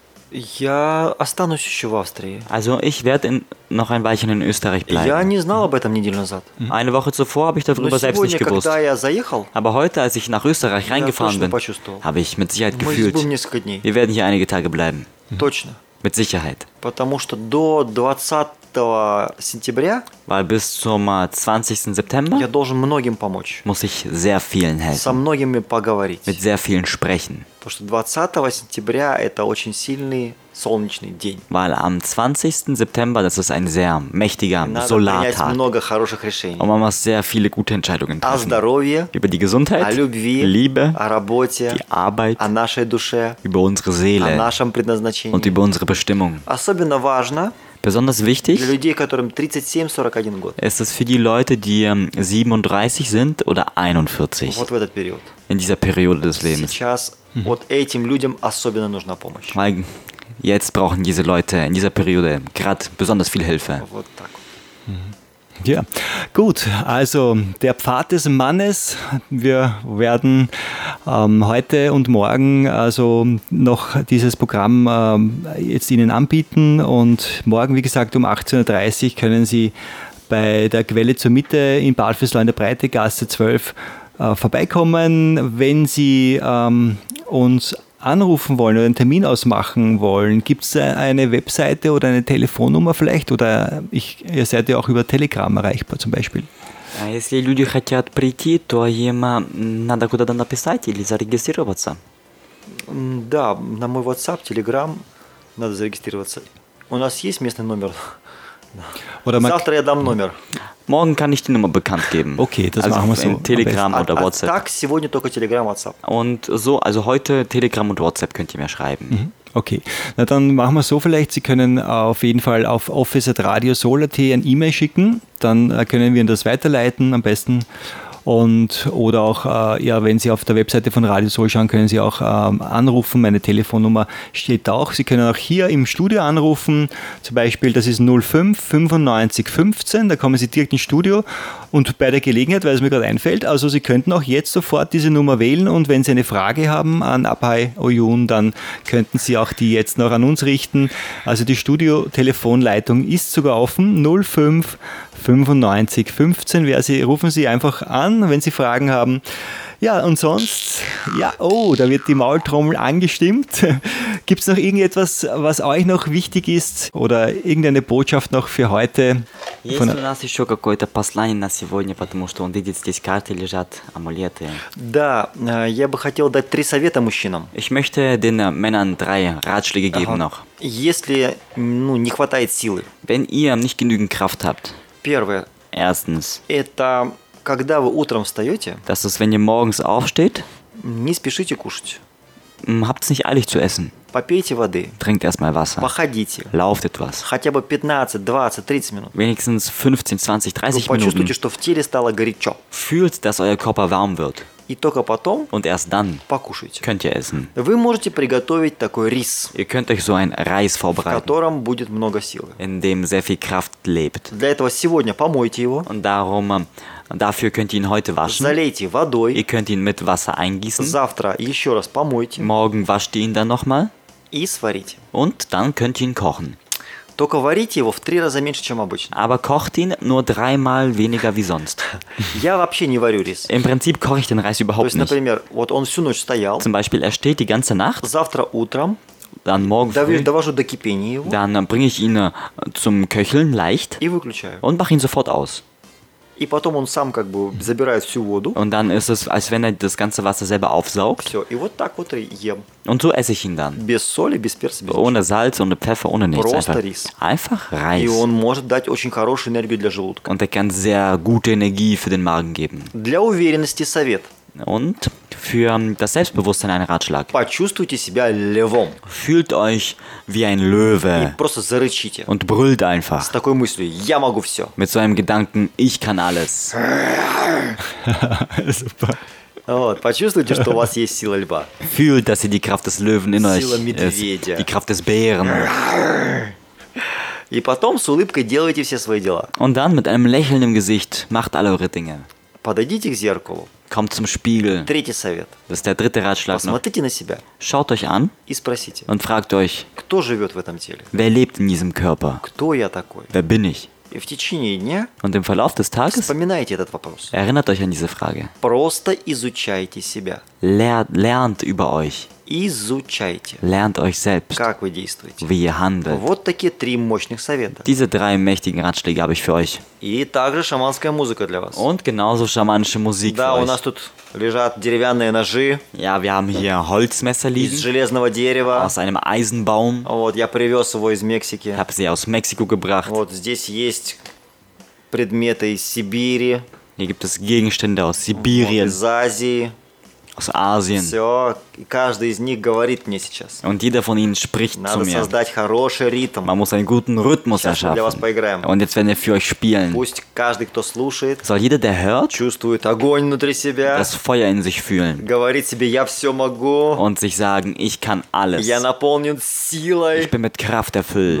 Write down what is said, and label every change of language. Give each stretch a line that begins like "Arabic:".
Russian: Я останусь еще в Австрии.
German: Also ich werde noch ein Weilchen in Österreich bleiben.
Russian: Я не знал об этом неделю назад.
German: Eine Woche zuvor habe ich darüber selbst nicht gewusst.
Russian: Но сегодня, когда я заехал,
German: aber heute, als ich nach Österreich reingefahren bin, habe ich mit Sicherheit gefühlt.
Russian: Мы будем несколько дней.
German: Wir werden hier einige Tage bleiben.
Russian: Точно.
German: Mit Sicherheit.
Russian: Потому что до 20 сентября,
German: weil bis zum 20. September,
Russian: я должен многим помочь.
German: Muss ich sehr vielen helfen.
Russian: Со многими поговорить.
German: Mit sehr vielen sprechen.
Russian: Потому что 20 сентября это очень сильный солнечный день.
German: Weil am 20. September, das ist ein sehr mächtiger Solartag.
Russian: Надо принять много хороших решений.
German: Und man muss sehr viele gute Entscheidungen treffen.
Russian: О здоровье.
German: Über die Gesundheit.
Russian: О любви.
German: Liebe.
Russian: О работе.
German: Die Arbeit.
Russian: О нашей душе.
German: Über unsere Seele.
Russian: О нашем предназначении.
German: Und über unsere Bestimmung.
Russian: Особенно важно.
German: Besonders wichtig.
Russian: Для людей, которым 37-41 год.
German: Ist es für die Leute, die 37 sind oder 41.
Russian: Вот в этот период.
German: In dieser Periode des Lebens.
Russian: Сейчас вот этим людям особенно нужна помощь.
German: Weil jetzt brauchen diese Leute in dieser Periode gerade besonders viel Hilfe.
Russian: Вот так.
German: Ja, gut, also der Pfad des Mannes, wir werden heute und morgen also noch dieses Programm jetzt Ihnen anbieten und morgen, wie gesagt, um 18.30 Uhr können Sie bei der Quelle zur Mitte in Bad Vöslau in der Breitegasse 12 vorbeikommen, wenn Sie uns anrufen wollen oder einen Termin ausmachen wollen, gibt es eine Webseite oder eine Telefonnummer vielleicht? Oder ihr seid ja auch über Telegram erreichbar zum Beispiel.
Russian: Если люди хотят прийти, то им надо куда-то написать или зарегистрироваться. Да, на мой WhatsApp, Telegram надо зарегистрироваться. У нас есть местный номер. Завтра я дам номер.
German: Morgen kann ich die Nummer bekannt geben. Okay, das also machen wir so. Telegram oder WhatsApp. Tag,
Russian: сегодня только Telegram, WhatsApp.
German: Und so, also heute Telegram und WhatsApp könnt ihr mir schreiben. Mhm. Okay, na dann machen wir so vielleicht, Sie können auf jeden Fall auf office@radiosol.at ein E-Mail schicken, dann können wir Ihnen das weiterleiten am besten und oder auch, ja, wenn Sie auf der Webseite von Radio Sol schauen, können Sie auch anrufen, meine Telefonnummer steht auch, Sie können auch hier im Studio anrufen, zum Beispiel, das ist 05 95 15, da kommen Sie direkt ins Studio und bei der Gelegenheit, weil es mir gerade einfällt, also Sie könnten auch jetzt sofort diese Nummer wählen und wenn Sie eine Frage haben an Abhay Oyun, dann könnten Sie auch die jetzt noch an uns richten, also die Studio-Telefonleitung ist sogar offen, 05 95 15, rufen Sie einfach an, wenn Sie Fragen haben. Ja, und sonst, ja, oh, da wird die Maultrommel angestimmt. Gibt es noch irgendetwas, was euch noch wichtig ist oder irgendeine Botschaft noch für heute?
Russian: Есть у нас еще какое-то послание на сегодня, потому что он видит, здесь карты лежат, амулеты. Да, я бы хотел дать три совета мужчинам.
German: Ich möchte den Männern drei Ratschläge geben noch.
Russian: Если, ну, не хватает силы.
German: Wenn ihr nicht genügend Kraft habt.
Russian: Первое.
German: Erstens.
Russian: Это когда вы утром встаете.
German: Das ist, wenn ihr morgens aufsteht.
Russian: Не спешите кушать.
German: Habt es nicht eilig zu essen.
Russian: Попейте воды.
German: Trinkt erstmal Wasser.
Russian: Походите.
German: Lauft etwas.
Russian: Хотя бы 15, 20, 30 минут.
German: Wenigstens 15, 20, 30 Minuten.
Russian: Почувствуйте, что в теле стало горячо.
German: Fühlt, dass euer Körper warm wird.
Russian: И только потом.
German: Und erst dann.
Russian: Покушайте.
German: Könnt ihr essen.
Russian: Вы можете приготовить такой рис.
German: Ihr könnt euch so ein Reis vorbereiten.
Russian: В котором будет много силы.
German: In dem sehr viel Kraft lebt.
Russian: Для этого сегодня помойте его.
German: Und darum. Und dafür könnt ihr ihn heute waschen.
Russian: Залейте водой.
German: Ihr könnt ihn mit Wasser eingießen.
Russian: Завтра еще раз помойте.
German: Morgen wascht ihr ihn dann nochmal.
Russian: И сварите.
German: Und dann könnt ihr ihn kochen.
Russian: Только варите его в три раза меньше, чем обычно.
German: Aber kocht ihn nur dreimal weniger wie sonst.
Russian: Я вообще не варю рис.
German: Im Prinzip koche ich den Reis überhaupt nicht.
Russian: То есть, например, вот он всю ночь стоял.
German: Zum Beispiel, er steht die ganze Nacht.
Russian: Завтра утром.
German: Dann morgen früh.
Russian: Довожу до кипения его.
German: Dann bringe ich ihn zum Köcheln leicht.
Russian: И выключаю.
German: Und mache ihn sofort aus.
Russian: И потом он сам как бы забирает всю воду.
German: Und dann ist es, als wenn er das ganze Wasser selber aufsaugt.
Russian: Все, и вот так вот ем.
German: Und so esse ich ihn dann.
Russian: Без соли, без перца, без
German: ohne Salz, ohne Pfeffer, ohne nichts.
Russian: Просто
German: einfach.
Russian: Рис.
German: Einfach Reis.
Russian: И он может дать очень хорошую энергию для желудка.
German: Und er kann sehr gute Energie für den Magen geben.
Russian: Для уверенности совет.
German: Und für das Selbstbewusstsein ein Ratschlag.
Russian: Почувствуйте себя львом.
German: Fühlt euch wie ein Löwe.
Russian: И просто зарычите.
German: Und brüllt einfach.
Russian: С такой мыслью, я могу все.
German: Mit so einem Gedanken, ich kann alles. Super.
Russian: Вот, почувствуйте, что у вас есть сила льва.
German: Fühlt, dass ihr die Kraft des Löwen in euch.
Russian: Сила медведя.
German: Die Kraft des Bären.
Russian: И потом с улыбкой делайте все свои дела.
German: Und dann mit einem Lächeln im Gesicht macht alle eure Dinge.
Russian: Подойдите к зеркалу.
German: Kommt zum Spiegel.
Russian: Третий совет.
German: Das ist der dritte Ratschlag.
Russian: Посмотрите на себя.
German: Schaut euch an.
Russian: И спросите.
German: Und fragt euch.
Russian: Кто живет в этом теле?
German: Wer lebt in diesem Körper?
Russian: Кто я такой?
German: Wer bin ich?
Russian: И в течение дня.
German: Und im Verlauf des Tages.
Russian: Вспоминайте этот вопрос.
German: Erinnert euch an diese Frage.
Russian: Просто изучайте себя.
German: Lernt über euch.
Russian: Изучайте.
German: Lernt euch selbst.
Russian: Как вы действуете?
German: Wie ihr handelt.
Russian: Вот такие три мощных совета.
German: Diese drei mächtigen Ratschläge habe ich für euch.
Russian: И также шаманская музыка для вас.
German: Und genauso schamanische Musik
Russian: да,
German: für euch.
Russian: Да, у нас тут лежат деревянные ножи.
German: Ja, wir haben hier Holzmesser liegen.
Russian: Из железного дерева.
German: Aus einem Eisenbaum.
Russian: Вот, я привез его из Мексики.
German: Habe sie aus Mexiko gebracht.
Russian: Вот здесь есть предметы из Сибири.
German: Hier gibt es Gegenstände aus Sibirien.
Russian: Вот, из Азии.
German: Aus Asien.
Russian: Все, каждый из них говорит мне сейчас.
German: Und jeder von ihnen spricht
Russian: Надо
German: zu mir.
Russian: Надо создать хороший ритм.
German: Man muss einen guten Rhythmus
Russian: сейчас
German: erschaffen.
Russian: Мы для вас поиграем.
German: Und jetzt werden wir für euch spielen.
Russian: Пусть каждый, кто слушает,
German: Soll jeder, der hört,
Russian: чувствует огонь внутри себя.
German: Das Feuer in sich fühlen.
Russian: Говорит себе, я все могу.
German: Und sich sagen, ich kann alles.
Russian: Я наполнен силой.
German: Ich bin mit Kraft erfüllt.